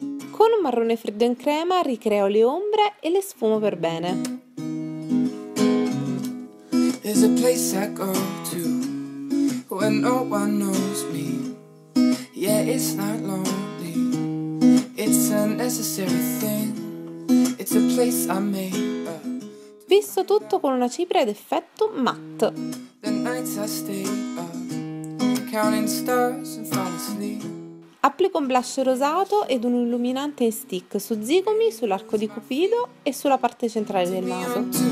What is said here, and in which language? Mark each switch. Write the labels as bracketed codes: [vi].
[it] Con un marrone freddo in crema ricreo le ombre e le sfumo per bene. [en] There's a place I go to when no one knows me. Yeah, it's not lonely, it's a necessary thing. It's a place I made up. [it] Visto tutto con una cipria ad effetto matte. [en] The nights I stay up, counting stars and fall asleep. [it] Applico un blush rosato ed un illuminante in stick su zigomi, sull'arco di Cupido e sulla parte centrale del naso.